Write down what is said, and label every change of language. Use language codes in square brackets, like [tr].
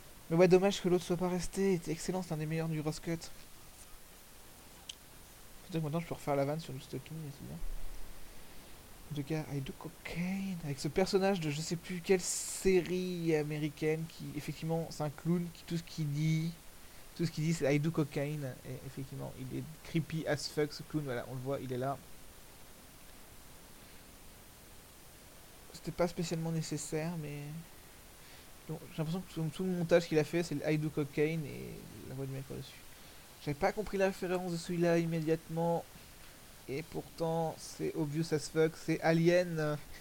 [fr] Mais ouais, dommage que l'autre soit pas resté. Il était excellent, c'est un des meilleurs du Gross Cut. Peut-être que maintenant je peux refaire la vanne sur du stocking, c'est bien. De gars, [en] I do cocaine. [fr] Avec ce personnage de je sais plus quelle série américaine qui, effectivement, c'est un clown qui, tout ce qu'il dit, c'est I do cocaine. Et effectivement, il est [en] creepy as fuck [fr] ce clown. Voilà, on le voit, il est là. C'était pas spécialement nécessaire, mais. Donc, j'ai l'impression que tout le montage qu'il a fait, c'est le [en] I do cocaine [fr] et la voix du mec par-dessus. J'avais pas compris la référence de celui-là immédiatement. Et pourtant, c'est [en] obvious as fuck, [fr] c'est Alien.